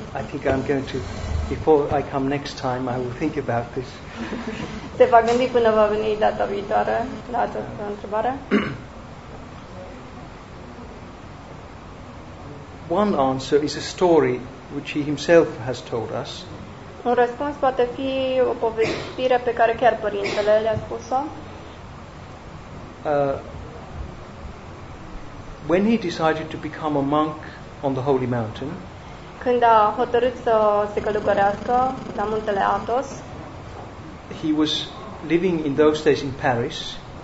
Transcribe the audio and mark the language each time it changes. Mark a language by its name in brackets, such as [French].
[English] I think I'm going to, before I come next time, I will think about this. [Romanian] Te va gândi până va veni data viitoare la această întrebare? [English] One answer is a story which he himself has told us. [Romanian] Un răspuns poate fi o povestire pe care chiar părintele le-a spus-o. [English] When he decided to become a monk on the holy mountain, [Romanian] când a hotărât să se călugărească la muntele Athos, [English] he was living in those days in Paris.